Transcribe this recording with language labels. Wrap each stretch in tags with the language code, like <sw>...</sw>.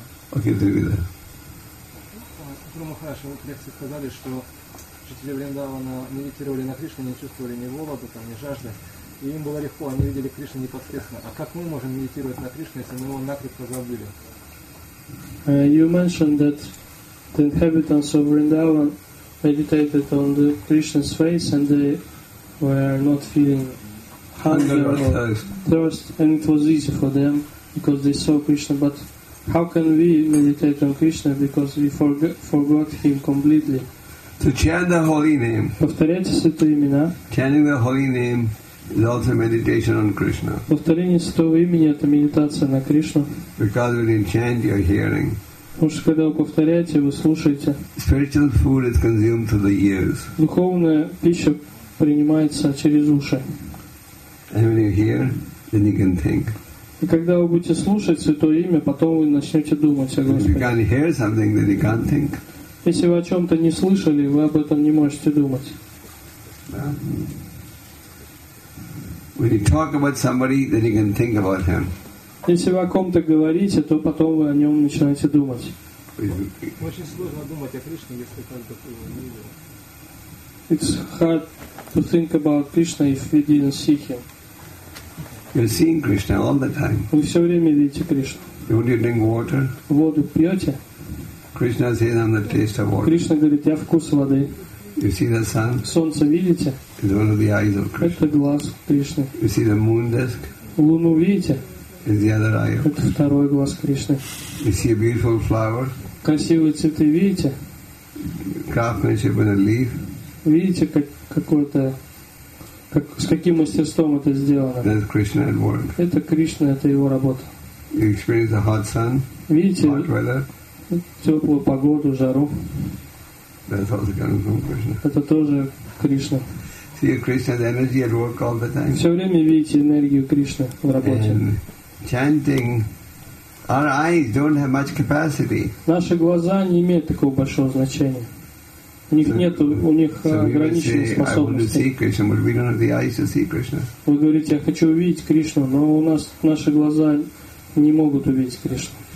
<ru>Окей, Тривида. Сутру Махараши, вы в лекции сказали, что жители Вриндавана медитировали на Кришне, не чувствовали ни голода, там, ни жажды. И им было легко, они видели Кришну непосредственно. А как мы можем медитировать на Кришне, если мы его накрепко забыли?</ru> <en>You mentioned that the inhabitants of Vrindavan meditated on the Krishna's face and they were not feeling hunger or thirst, and it was easy for them because they saw Krishna. But how can we meditate on Krishna because we forgot Him completely? To chant the holy name.</en> <ru>Повторяйте святые имена.</ru> <en>Chanting the holy name is also meditation on Krishna.</en> <ru>Повторение святого имени — это медитация на Кришну.</ru> <en>Because when you chant, you're hearing.</en> <ru>Потому что когда вы повторяете, вы слушаете.</ru> <en>Spiritual food is consumed through the ears.</en> <ru>Духовная пища принимается через уши.</ru> <en>And when you hear, then you can think.</en> <ru>И когда вы будете слушать святое имя, потом вы начнете думать о Господе.</ru> <en>If you can't hear something, then you can't think.</en> <ru>Если вы о чем-то не слышали, вы об этом не можете думать.</ru> <en>When you talk about somebody, then you can think about him.</en> <ru>Если вы о ком-то говорите, то потом вы о нем начинаете думать. Очень сложно думать о Кришне, если как-то его не видел.</ru> <en>It's hard to think about Krishna if we didn't see him. You're seeing Krishna all the time.</en> <ru>Вы все время видите Кришну.</ru> <en>Would you drink water?</en> <ru>Воду пьете?</ru> <en>Krishna is here on the taste of water.</en> <ru>Krishna говорит, я вкус воды.</ru> <en>You see the sun?</en> <ru>Солнце видите?</ru> <en>It's one of the eyes of Krishna.</en> <ru>Это глаз Кришны.</ru> <en>You see the moon disk?</en> <ru>Луну видите?</ru> <en>It's the other eye of Krishna.</en> <ru>Это второй глаз Кришны.</ru> <en>You see a beautiful flower?</en> <ru>Красивые цветы видите?</ru> <en>craftsmanship with a leaf.</en> <ru>Видите, как какое-то, как, с каким мастерством это сделано?</ru> <en>That's Krishna at work.</en> <ru>Это Кришна, это его работа.</ru> <en>You experience the hot sun.</en> <ru>Видите,</ru> <en>hot weather.</en> <ru>Теплую погоду, жару.</ru> <en>That's also coming from Krishna.</en> <ru>Это тоже Кришна.</ru> <en>See, Krishna's energy at work all the time.</en> <ru>Все время видите энергию Кришны в работе.</ru> <en>And chanting. Our eyes don't have much capacity.</en> <ru>Наши глаза не имеют такого большого значения. У них нет, у них ограниченных способностей. Вы говорите, я хочу увидеть Кришну, но у нас наши глаза не могут увидеть Кришну.</ru>